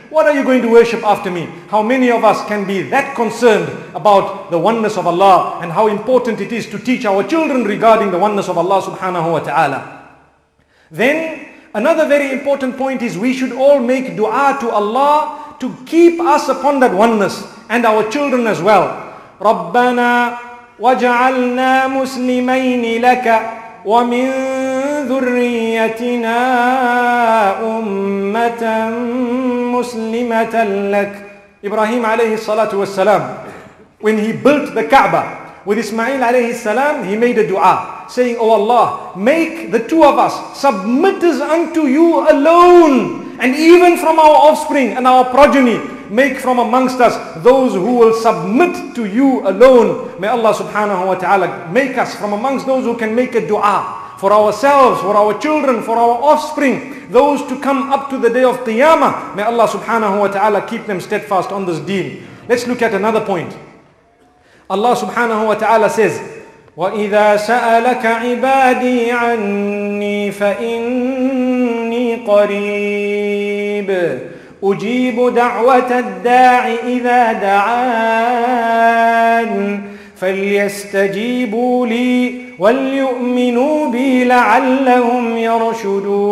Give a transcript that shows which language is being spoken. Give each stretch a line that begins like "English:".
English: What are you going to worship after me? How many of us can be that concerned about the oneness of Allah and how important it is to teach our children regarding the oneness of Allah subhanahu wa ta'ala? Then, another very important point is we should all make dua to Allah to keep us upon that oneness and our children as well.
Arabic: ربنا وجعلنا مسلمين لك ومن ذريتنا أمة مسلمة لك.
English: Ibrahim alayhi salatu was salam, when he built the Kaaba with Ismail alayhi salam, he made a dua saying, oh Allah, make the two of us submitters unto you alone, and even from our offspring and our progeny, make from amongst us those who will submit to you alone. May Allah subhanahu wa ta'ala make us from amongst those who can make a dua for ourselves, for our children, for our offspring, those to come up to the day of Qiyamah. May Allah subhanahu wa ta'ala keep them steadfast on this deen. Let's look at another point. Allah subhanahu wa ta'ala says,
Arabic: وَإِذَا سَأَلَكَ عِبَادِي عَنِّي فَإِنِّي قَرِيبٌ أجيب دعوة الداعي إذا دعان فليستجيبوا لي وليؤمنوا بي لعلهم يرشدون.